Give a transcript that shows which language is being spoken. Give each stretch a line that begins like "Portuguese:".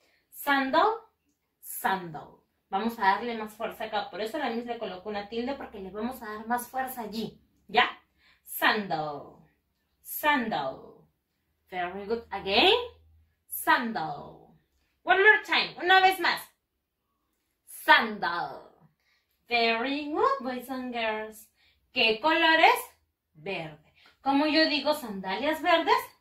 Spanish: Sandal, sandal. Vamos a darle más fuerza acá. Por eso la misma le coloco una tilde porque le vamos a dar más fuerza allí.
English: ¿Ya? Sandal, sandal. Very good. Again, sandal. One more time,
Spanish: una vez más.
English: Sandal. Very good, boys and girls.
Spanish: ¿Qué color es? Verde. ¿Cómo yo digo sandalias verdes?